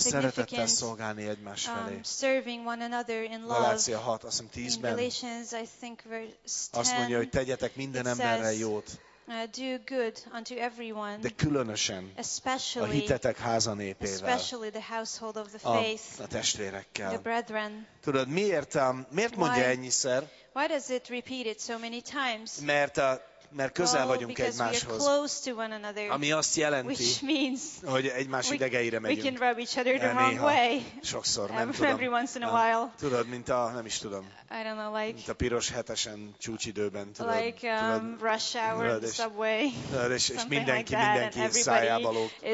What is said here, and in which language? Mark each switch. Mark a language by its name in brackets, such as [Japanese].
[Hungarian] Szeretettel szolgálni egymás felé. [English] Serving one another in love. [Hungarian] Galácia 6, azt hiszem 10-ben. [English] In Galatians, I think verse 10. [Hungarian] Azt mondja, hogy tegyetek minden emberre jót. [English] Do good unto everyone. [Hungarian] De különösen a hitetek háza népével. [English] Especially the household of the faith. [Hungarian] A testvérekkel. [English] The brethren. [Hungarian] Tudod, miért mondja ennyiszer? [English] Why does it repeat it so many times? [Hungarian] Mert közel vagyunk egymáshoz, ami azt jelenti, [English] means, [Hungarian] hogy egymás idegeire megyünk. [English] We can rub each other the wrong way. [Hungarian] Sokszor, nem tudom. [English] Every once in a while. [Hungarian] Tudod, mint a, nem is tudom. [English] I don't know, like, [Hungarian] mint a piros hetesen csúcsidőben, tudod. [English] Like rush hour in the subway. [Hungarian] És mindenki like mindenki szájába lóg.